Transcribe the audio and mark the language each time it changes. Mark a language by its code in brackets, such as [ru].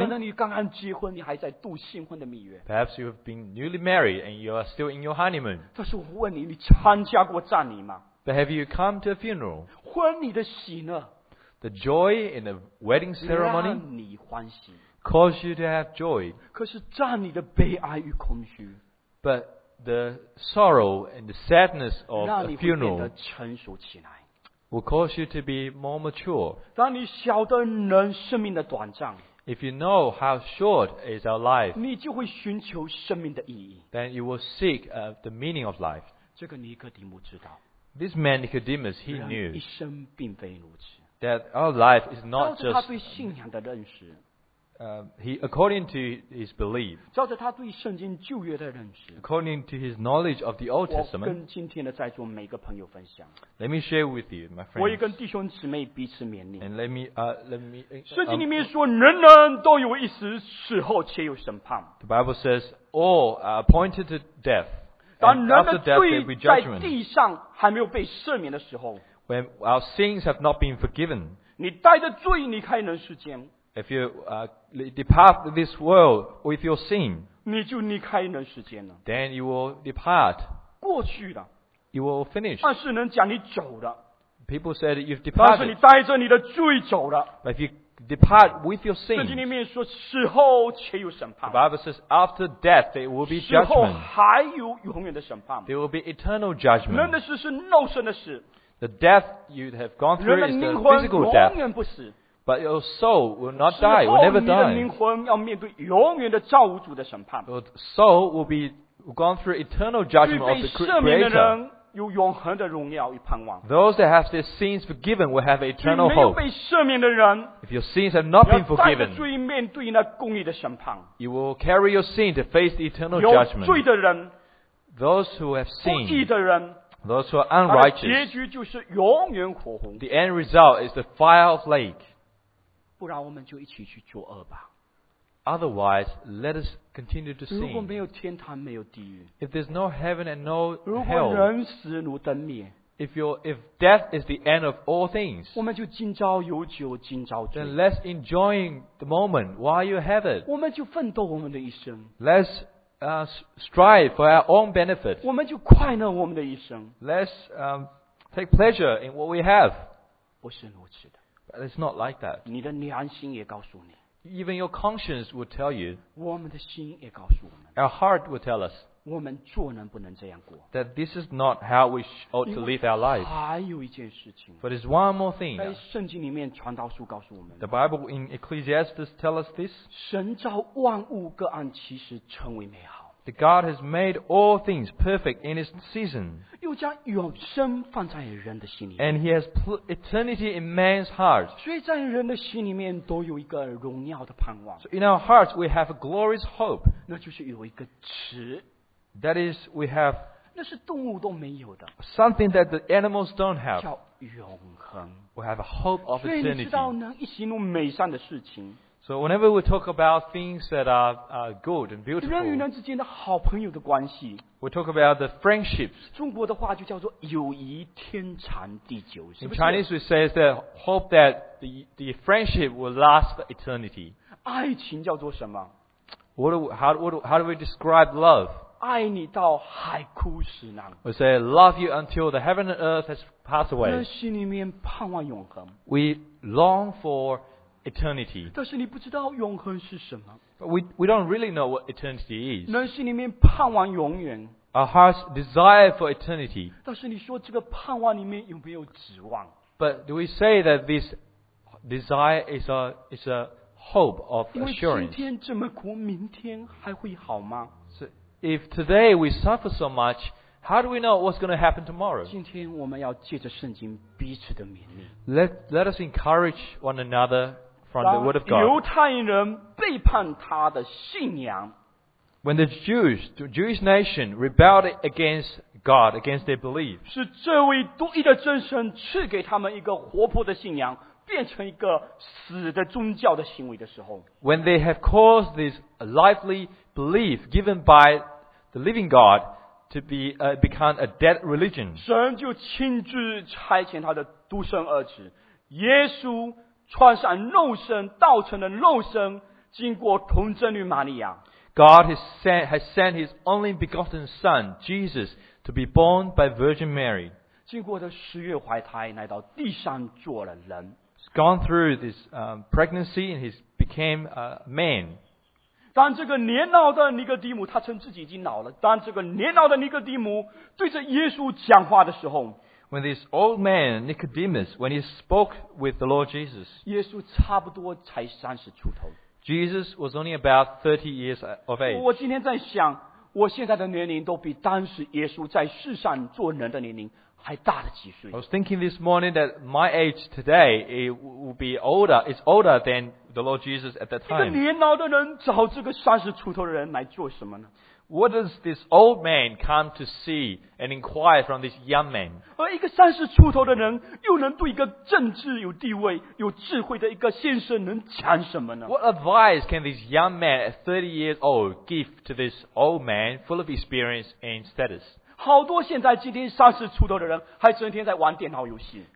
[zh] 可能你刚刚结婚，你还在度新婚的蜜月。 [en] Perhaps you have been newly married and you are still in your honeymoon. [zh] 但是我问你，你参加过葬礼吗？ [en] But have you come to a funeral? [zh] 婚礼的喜乐。 [en] The joy in a wedding ceremony. [zh] 让你欢喜。 [en] Cause you to have joy. [zh] 可是葬礼的悲哀与空虚。 [en] But the sorrow and the sadness of a funeral. [zh] 让你变得成熟起来。 [en] Will cause you to be more mature. [zh] 当你晓得人生命的短暂， [en] If you know how short is our life, [zh] 你就会寻求生命的意义。 [en] Then you will seek the meaning of life. [zh] 这个尼哥底母知道。 [en] This man Nicodemus, he knew. [zh] 人一生并非如此。 [en] That our life is not just. [zh] 照着他对信仰的认识。 [en] According to his belief. [zh] 照着他对圣经旧约的认识。 [en] According to his knowledge of the Old Testament. [zh] 我跟今天的在座每个朋友分享。 [en] Let me share with you, my friends. [zh] 我也跟弟兄姊妹彼此勉励。 [en] And let me. [zh] 圣经里面说，人人都有一死，死后且有审判。 [en] The Bible says, all are appointed to death. [zh] 当人的罪在地上还没有被赦免的时候。 [en] When our sins have not been forgiven. [zh] 你带着罪离开人世间。 [en] If you depart this world with your sin, [zh] 你就离开人世间了。 [en] Then you will depart. [zh] 过去的。 [en] You will finish. [zh] 但是人讲你走了。 [en] People said you've departed. [zh] 但是你带着你的罪走了。 [en] But if you depart with your sin, [zh] 圣经里面说死后且有审判。 [en] The Bible says after death there will be judgment. [zh] 死后还有永远的审判。 [en] There will be eternal judgment. [zh] 人的死是肉身的死。 [en] The death you have gone through is the physical death. [zh] 永远不死。 [en] But your soul will not die, will never die. [zh] 你的灵魂要面对永远的造物主的审判。 [en] Your soul will be gone through eternal judgment of the Creator. [zh] 有永恒的荣耀与盼望。 [en] Those that have their sins forgiven will have eternal hope. [zh] 没有被赦免的人。 [en] If your sins have not been forgiven, [zh] 要带着罪面对那公义的审判。 [en] You will carry your sin to face the eternal judgment. [zh] 有罪的人。 [en] Those who have sinned. [zh] 不义的人。 [en] Those who are unrighteous. [zh] 结局就是永远火红。 [en] The end result is the fire of lake. [zh] 不然我们就一起去作恶吧。 [en] Otherwise, let us continue to sin. [zh] 如果没有天堂，没有地狱。 [en] If there's no heaven and no hell. [zh] 如果人死如灯灭。 [en] If death is the end of all things. [zh] 我们就今朝有酒今朝醉。 [en] Then let's enjoy the moment while you have it. [zh] 我们就奋斗我们的一生。 [en] Let's strive for our own benefit. [zh] 我们就快乐我们的一生。 [en] Let's take pleasure in what we have. [zh] 不是如此的。 [en] It's not like that. [zh] 你的良心也告诉你。 [en] Even your conscience will tell you. [zh] 我们的心也告诉我们。 [en] Our heart will tell us. [zh] 我们做人不能这样过。 [en] That this is not how we ought to live our life. [zh] 还有一件事情。 [en] But it's one more thing. [zh] 在圣经里面传道书告诉我们。 [en] The Bible in Ecclesiastes tells us this. [zh] 神造万物各按其时成为美好。 [en] The God has made all things perfect in His season. [zh] 又将永生放在人的心里。 [en] And He has put eternity in man's heart. [zh] 所以在人的心里面都有一个荣耀的盼望。 [en] So in our hearts we have a glorious hope. [zh] 那就是有一个词。 [en] That is, we have. [zh] 那是动物都没有的。 [en] Something that the animals don't have. [zh] 叫永恒。 [en] We have a hope of eternity. [zh] 所以你知道能一行路美善的事情。 [en] So whenever we talk about things that are good and beautiful, [zh] 人与人之间的好朋友的关系， [en] we talk about the friendships. [zh] 中国的话就叫做友谊天长地久。 [en] In Chinese, we say that hope that the friendship will last for eternity. [zh] 爱情叫做什么？ [en] How do we describe love? [zh] 爱你到海枯石烂。 [en] We say love you until the heaven and earth has passed away. [zh] 心里面盼望永恒。 [en] We long for eternity. [zh] 但是你不知道永恒是什么。 [en] But we don't really know what eternity is. [zh] 人心里面盼望永远。 [en] Our hearts desire for eternity. [zh] 但是你说这个盼望里面有没有指望？ [en] But do we say that this desire is a hope of assurance? [zh] 因为今天这么苦，明天还会好吗？ [en] So if today we suffer so much, how do we know what's going to happen tomorrow? [zh] 今天我们要借着圣经彼此的勉励。 [en] Let us encourage one another. From the word of God. [zh] 犹太人背叛他的信仰。 [en] When the Jews, the Jewish nation rebelled against God, against their belief, [zh] 是这位独一的真神赐给他们一个活泼的信仰，变成一个死的宗教的行为的时候。 [en] When they have caused this lively belief given by the living God to be, become a dead religion, [zh] 神就亲自差遣他的独生儿子，耶稣穿上肉身，道成的肉身，经过童贞女玛利亚。 [en] God has sent His only begotten Son, Jesus, to be born by Virgin Mary. [zh] 经过的十月怀胎，来到地上做了人。 [en] He's gone through this pregnancy and he became a man. [zh] 当这个年老的尼哥底母，他称自己已经老了。当这个年老的尼哥底母对着耶稣讲话的时候 [en] ，When this old man Nicodemus, when he spoke with the Lord Jesus, [zh] 耶稣差不多才三十出头。 [en] Jesus was only about 30 years of age. [zh] 我今天在想，我现在的年龄都比当时耶稣在世上做人的年龄还大了几岁。 [en] I was thinking this morning that my age today it will be older. It's older than the Lord Jesus at that time. [zh] 一个年老的人找这个三十出头的人来做什么呢？ [en] What does this old man come to see and inquire from this young man? [zh] 而一个三十出头的人又能对一个政治有地位有智慧的一个先生能讲什么呢？ [en] What advice can this young man at 30 years old give to this old man full of experience and status? [zh] 好多现在今天三十出头的人还整天在玩电脑游戏。